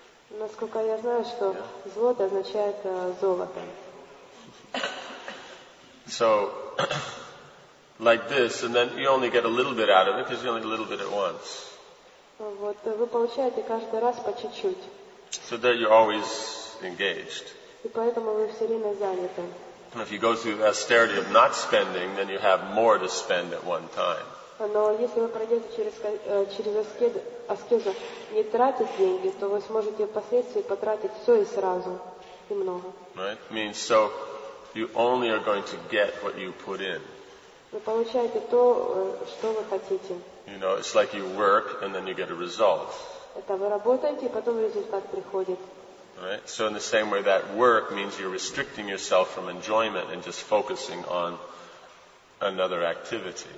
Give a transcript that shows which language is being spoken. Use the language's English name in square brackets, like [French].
[Russian] Насколько я знаю, что злоты означает золото. [English] So, like this, and then you only get a little bit out of it because you only get a little bit at once. [Russian] Вот вы получаете каждый раз по чуть-чуть. [English] So that you're always engaged. [Russian] И поэтому вы все время заняты. [English] And if you go through the austerity of not spending, then you have more to spend at one time. [Russian] Но если вы пройдете через аскезу не тратить деньги, то вы сможете впоследствии потратить все и сразу и много. [English] Right? Means so you only are going to get what you put in. [Russian] Вы получаете то, что вы хотите. [English] You know, it's like you work and then you get a result. [Russian] Это вы работаете, и потом результат приходит. [English] Right? So in the same way, that work means you're restricting yourself from enjoyment and just focusing on another activity.